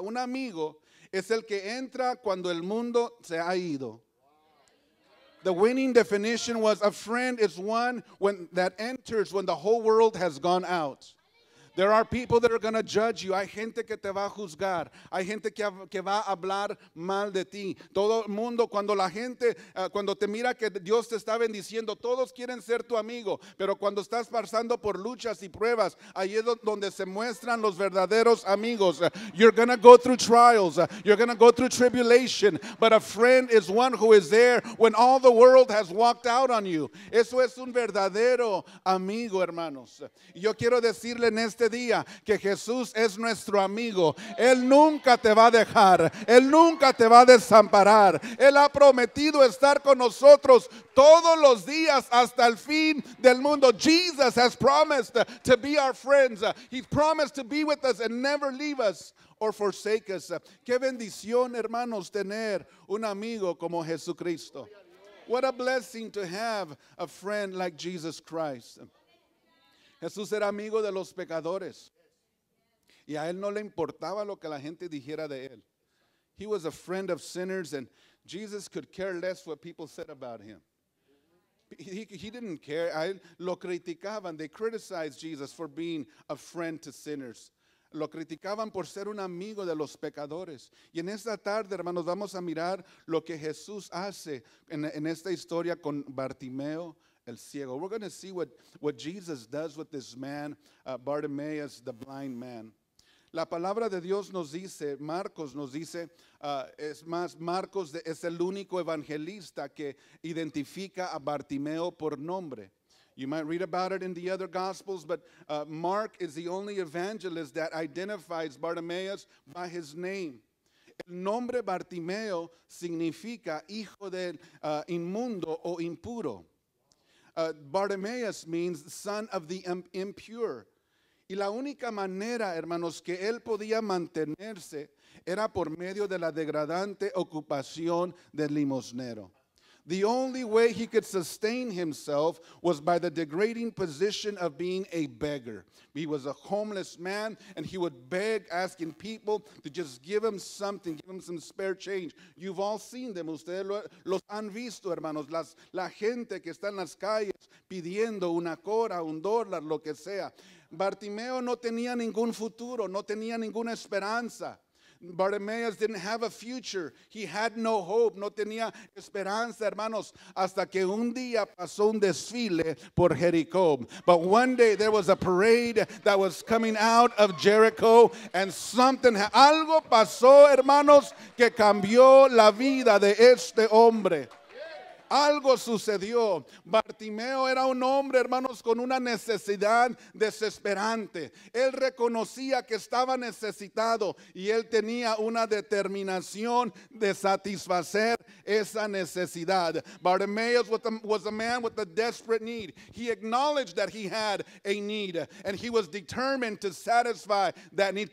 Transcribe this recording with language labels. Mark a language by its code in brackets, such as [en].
[es] Un amigo es el que entra cuando el mundo se ha ido. [en] The winning definition was, a friend is one that enters when the whole world has gone out. There are people that are going to judge you. [es] Hay gente que te va a juzgar. Hay gente que va a hablar mal de ti. Todo el mundo, cuando la gente, cuando te mira que Dios te está bendiciendo, todos quieren ser tu amigo. Pero cuando estás pasando por luchas y pruebas, ahí es donde se muestran los verdaderos amigos. [en] You're going to go through trials. You're going to go through tribulation. But a friend is one who is there when all the world has walked out on you. [es] Eso es un verdadero amigo, hermanos. Yo quiero decirle en este este día que Jesús es nuestro amigo. Él nunca te va a dejar, Él nunca te va a desamparar. Él ha prometido estar con nosotros todos los días hasta el fin del mundo. [en] Jesus has promised to be our friends. He's promised to be with us and never leave us or forsake us. [es] Qué bendición, hermanos, tener un amigo como Jesucristo. [en] What a blessing to have a friend like Jesus Christ. [es] Jesús era amigo de los pecadores. Y a él no le importaba lo que la gente dijera de él. [en] He was a friend of sinners, and Jesus could care less what people said about him. He didn't care. [es] A él lo criticaban. [en] They criticized Jesus for being a friend to sinners. [es] Lo criticaban por ser un amigo de los pecadores. Y en esta tarde, hermanos, vamos a mirar lo que Jesús hace en esta historia con Bartimeo, el ciego. [en] We're going to see what Jesus does with this man, Bartimaeus, the blind man. [es] La palabra de Dios nos dice, Marcos nos dice, es más, Marcos es el único evangelista que identifica a Bartimeo por nombre. [en] You might read about it in the other Gospels, but Mark is the only evangelist that identifies Bartimaeus by his name. [es] El nombre Bartimeo significa hijo del inmundo o impuro. [en] Bartimaeus means son of the impure. [es] Y la única manera, hermanos, que él podía mantenerse era por medio de la degradante ocupación del limosnero. [en] The only way he could sustain himself was by the degrading position of being a beggar. He was a homeless man, and he would beg, asking people to just give him something, give him some spare change. You've all seen them. [es] Ustedes los han visto, hermanos. La gente que está en las calles pidiendo una cora, un dólar, lo que sea. Bartimeo no tenía ningún futuro, no tenía ninguna esperanza. [en] Bartimaeus didn't have a future. He had no hope. [es] No tenía esperanza, hermanos, hasta que un día pasó un desfile por Jericó. [en] But one day there was a parade that was coming out of Jericho, and [es] algo pasó, hermanos, que cambió la vida de este hombre. Algo sucedió. Bartimeo era un hombre, hermanos, con una necesidad desesperante. Él reconocía que estaba necesitado y él tenía una determinación de satisfacer esa necesidad. [en] Bartimaeus was a man with a desperate need. He acknowledged that he had a need and he was determined to satisfy that need.